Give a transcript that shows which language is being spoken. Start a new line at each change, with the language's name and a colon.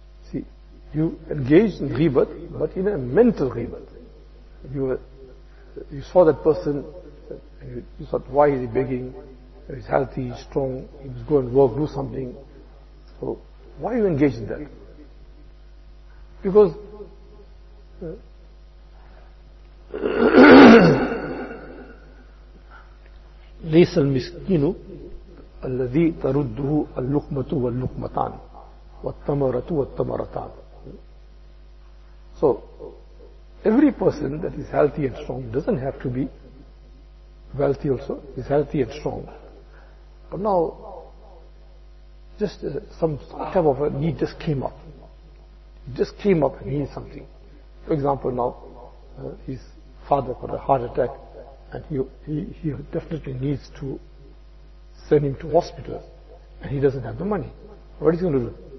English: See, you engaged in ghibat, but in a mental ghibat. You saw that person, and you thought, why is he begging? He's healthy, he's strong, he must go and work, do something. So, why you engage in that? Because
Arabic: ليس المسكين الذي ترده اللقمة واللقمتان والتمرة والتمرتان.
English: So every person that is healthy and strong doesn't have to be wealthy also, is healthy and strong. But now just some type of a need just came up. He just came up and he needs something. For example, now his father got a heart attack and he definitely needs to send him to hospital and he doesn't have the money. What is he going to do?